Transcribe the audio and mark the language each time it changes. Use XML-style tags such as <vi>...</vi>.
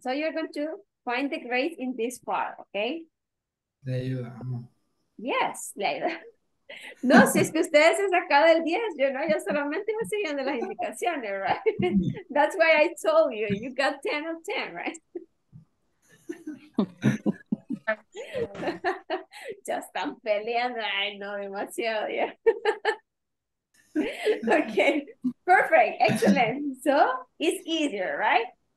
<en>So you're going to find the grade in this part, okay? There you are. Yes, Leila.</en> <es>No, si es que ustedes han sacado el 10, yo no, yo solamente voy siguiendo las indicaciones, right?</es> <en>That's why I told you, you got 10 of 10, right?</en> <es>Ya están peleando, ay no, demasiado, ya.</es> <en>Okay, perfect, excellent. So it's easier, right?</en>